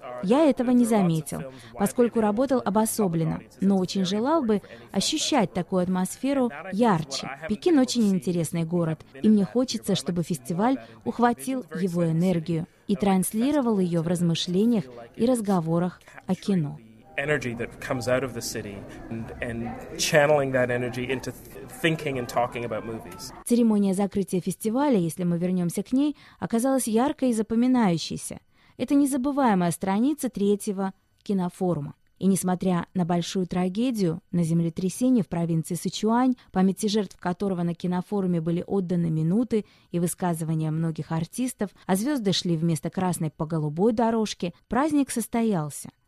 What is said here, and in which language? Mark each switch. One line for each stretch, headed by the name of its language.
Russian: Я этого не заметил, поскольку работал обособленно, но очень желал бы ощущать такую атмосферу ярче. Пекин очень интересный город, и мне хочется, чтобы фестиваль ухватил его энергию и транслировал ее в размышлениях и разговорах о кино.
English: Energy that comes out of the city and channeling that energy into thinking and talking about movies.
Russian: Церемония закрытия фестиваля, если мы вернемся к ней, оказалась яркой и запоминающейся. Это незабываемая страница 3-го кинофорума. И несмотря на большую трагедию на землетрясении в провинции Сычуань, памяти жертв которого на кинофоруме были отданы минуты и высказывания многих артистов, а звезды шли вместо красной по голубой дорожке, праздник состоялся.